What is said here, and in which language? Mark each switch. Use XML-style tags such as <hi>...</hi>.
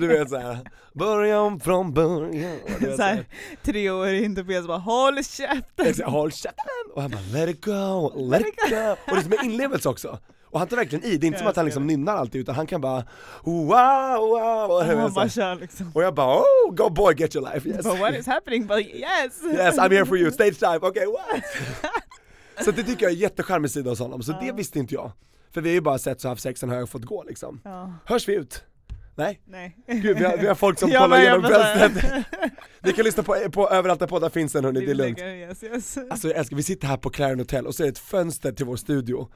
<sv>Du vet så här, börja om från början. Så här, tre år inte på så bara, håll käften. Jag säger, håll käften. Och han bara, let it go, let it go. Och det är med inlevelse också. Och han tar verkligen i, det är inte som att han liksom nynnar alltid, utan han kan bara, wow, wow. Och han bara kör liksom.</sv> <en>Och jag bara, oh, go boy, get your life, yes. But what is happening? But yes. Yes, I'm here for you, stage time, okay, what?</en> <sv>Så det tycker jag är jättecharmig sida hos honom, så det visste inte jag. För vi har ju bara sett så här sexen har jag fått gå liksom. Ja. Hörs vi ut? Nej? Nej. Gud, vi har folk som kollar genom bröstet. Ni kan lyssna på överallt där poddar finns den, hörni. Det är lugnt.</sv> <en>Yes, yes.</en> <sv>Alltså jag älskar, vi sitter här på Clarion Hotel och ser ett fönster till vår studio.</sv>